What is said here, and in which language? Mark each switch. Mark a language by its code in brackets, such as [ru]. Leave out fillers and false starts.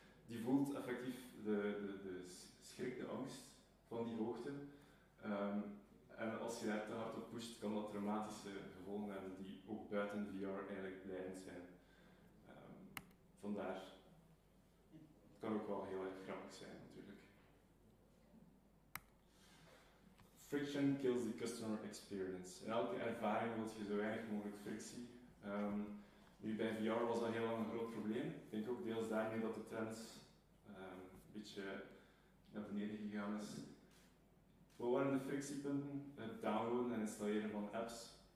[nl] Die voelt effectief de schrik, de angst van die hoogte. En als je daar te hard op pusht, kan dat traumatische gevolgen hebben die ook buiten VR eigenlijk blijvend zijn. Vandaar. Het kan ook wel heel erg grappig zijn natuurlijk. [en] Friction kills the customer experience. [nl] In elke ervaring wil je zo weinig mogelijk frictie. Nu bij VR was dat heel lang een groot probleem. Ik denk ook deels daarmee dat de trend een beetje naar beneden gegaan is. Wat waren de frictiepunten? Het downloaden en installeren van apps.